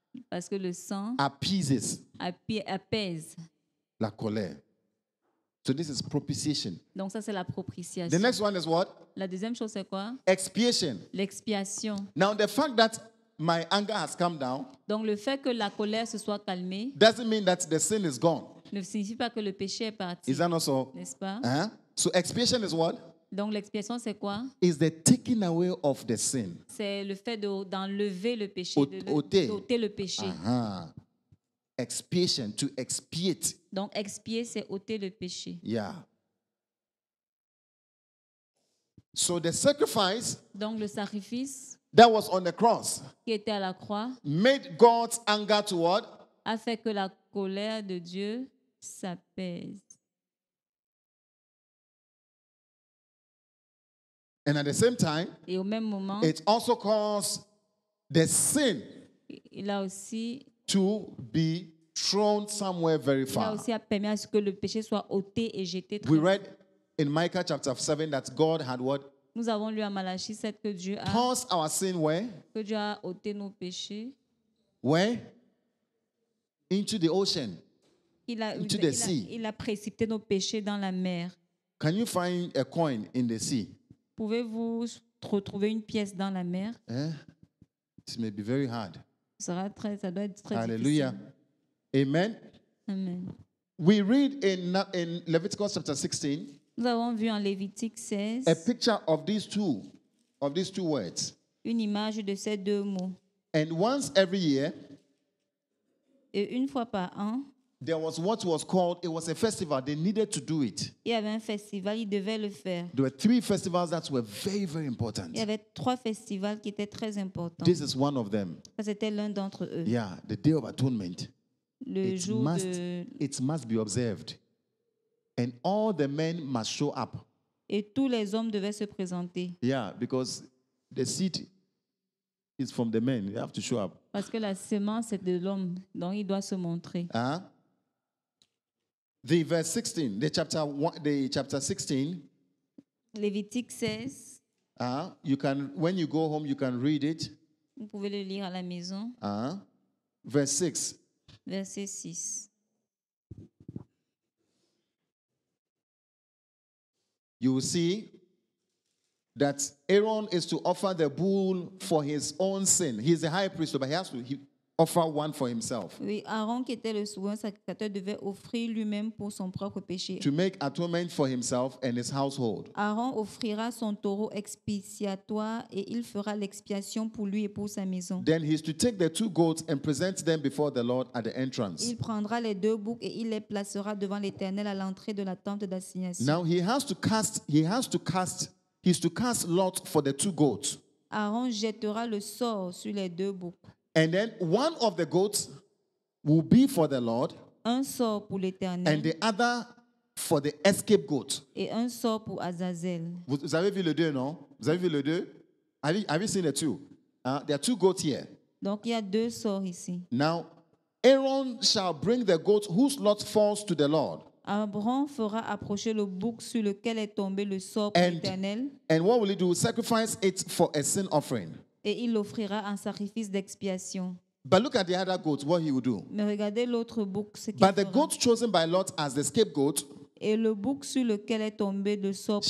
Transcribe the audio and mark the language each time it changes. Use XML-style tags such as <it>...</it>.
<fr>Parce que le sang</fr> <en>appeases.</en> <fr>Apaise. La colère.</fr> <en>So this is propitiation.</en> <fr>Donc ça c'est la propitiation.</fr> <en>The next one is what?</en> <fr>La deuxième chose c'est quoi?</fr> <en>Expiation.</en> <fr>L'expiation.</fr> <en>Now the fact that my anger has calmed down.</en> <fr>Donc le fait que la colère se soit calmée.</fr> <en>Doesn't mean that the sin is gone.</en> <fr>Ne signifie pas que le péché est parti.</fr> <en>Is that not so?</en> <fr>N'est-ce pas?</fr> <en>So expiation is what?</en> <fr>Donc l'expiation c'est quoi?</fr> <en>Is the taking away of the sin.</en> <fr>C'est le fait d'enlever le péché, d'ôter le péché.</fr> <en>Expiation, to expiate.</en> <fr>Donc expier c'est ôter le péché.</fr> <en>Yeah. So the sacrifice.</en> <fr>Donc le sacrifice.</fr> <en>That was on the cross.</en> <fr>Qui était à la croix.</fr> <en>Made God's anger toward.</en> <fr>A fait que la colère de Dieu s'apaise.</fr> <en>And at the same time.</en> <fr>Et au même moment.</fr> <en>It also caused the sin.</en> <fr>Il a aussi.</fr> <en>To be thrown somewhere very far.</en> <fr>Il a aussi permis à ce que le péché soit ôté et jeté.</fr> <en>We read in Micah chapter 7 that God had what?</en> <fr>Nous avons lu à Malachie 7 que Dieu a.</fr> <en>Tossed our sin where?</en> <fr>Que Dieu a ôté nos péchés.</fr> <en>Where? Into the ocean.</en> <fr>Il a,</fr> <en>into the sea.</en> <fr>Il a précipité nos péchés dans la mer.</fr> <en>Can you find a coin in the sea?</en> <fr>Pouvez-vous retrouver une pièce dans la mer?</fr> <en>Eh? This may be very hard.</en> <fr>Sera très, ça doit être très</fr> <en>hallelujah.</en> <fr>Difficile.</fr> <en>Amen.</en> <fr>Amen.</fr> <en>We read in Leviticus chapter 16.</en> <fr>Nous avons vu en Lévitique 16.</fr> <en>A picture of these two words.</en> <fr>Une image de ces deux mots.</fr> <en>And once every year.</en> <fr>Et une fois par an.</fr> <en>There was what was called, it was a festival, they needed to do it.</en> <fr>Il y avait un festival, ils devaient le faire.</fr> <en>There were three festivals that were very, very important.</en> <fr>Il y avait trois festivals qui étaient très importants.</fr> <en>This is one of them.</en> <fr>Ça, c'était l'un d'entre eux.</fr> <en>Yeah, the Day of Atonement.</en> <fr>Le it jour</fr> <en>must,</en> <fr>de...</fr> <en>It must be observed. And all the men must show up.</en> <fr>et tous les hommes devaient se présenter.</fr> <en>Yeah, because the seed is from the man. You have to show up.</en> <fr>Parce que la semence est de l'homme, donc il doit se montrer.</fr> <en>Ah. Huh? The verse 16, the chapter 16.</en> <fr>Levitique 16.</fr> <en>Ah, you can, when you go home, you can read it.</en> <fr>Vous pouvez le lire à la maison.</fr> <en>Ah, huh? Verse 6.</en> <fr>Verset 6.</fr> <en>You will see that Aaron is to offer the bull for his own sin. He is the high priest, but he has to offer one for himself.</en> <fr>Oui, Aaron, qui était le souverain sacrificateur, devait offrir lui-même pour son propre péché.</fr> <en>To make atonement for himself and his household.</en> <fr>Aaron offrira son taureau expiatoire et il fera l'expiation pour lui et pour sa maison.</fr> <en>Then he is to take the two goats and present them before the Lord at the entrance.</en> <fr>Il prendra les deux boucs et il les placera devant l'Éternel à l'entrée de la tente d'assignation.</fr> <en>Now he has to cast. He is to cast lots for the two goats.</en> <fr>Aaron jettera le sort sur les deux boucs.</fr> <en>And then one of the goats will be for the Lord.</en> <fr>Un sort pour l'Éternel.</fr> <en>And the other for the escape goat.</en> <fr>Et un sort pour Azazel. Vous avez vu le deux, non? Vous avez vu le deux?</fr> <en>Have you seen the two? There are two goats here.</en> <fr>Donc il y a deux sorts ici.</fr> <en>Now, Aaron shall bring the goat whose lot falls to the Lord.</en> <fr>Aaron fera approcher le bouc sur lequel est tombé le sort pour l'Éternel.</fr> <en>And what will he do? Sacrifice it for a sin offering.</en> <fr>Et il l'offrira en sacrifice d'expiation.</fr> <en>But look at the other goat, what he will do.</en> <fr>Mais regardez l'autre bouc, ce qu'il fera.</fr> <en>But the goat chosen by Lot as the scapegoat.</en> <fr>Et le bouc sur lequel est tombé le sort pour</fr>